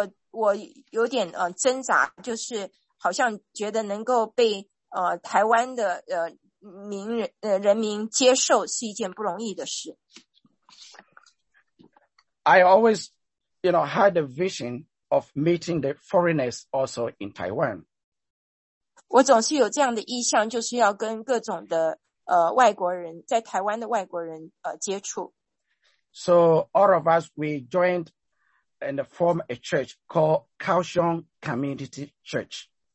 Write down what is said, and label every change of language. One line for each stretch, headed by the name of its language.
Chinese: 我有点挣扎，就是好像觉得能够被台湾的人民接受是一件不容易的事。
English: I always, you know, had a vision of meeting the foreigners also in Taiwan.
Chinese: 我总是有这样的意向，就是要跟各种的外国人，在台湾的外国人接触。
English: So all of us, we joined. And form a church called Kaohsiung Community Church.